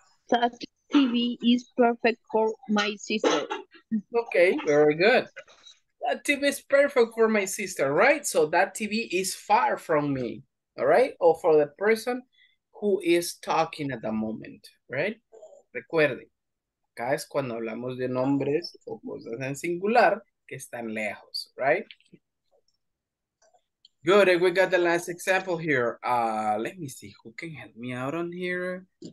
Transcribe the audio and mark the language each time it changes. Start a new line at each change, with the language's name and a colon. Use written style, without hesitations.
English: That TV is perfect for my sister. Okay, very good. That TV is perfect for my sister, right? So that TV is far from me, all right? Or for the person who is talking at the moment, right?
Spanish: Recuerden, acá es cuando hablamos de nombres o cosas en singular que están lejos, right?
English: Good, and we got the last example here. Let me see, who can help me out on here?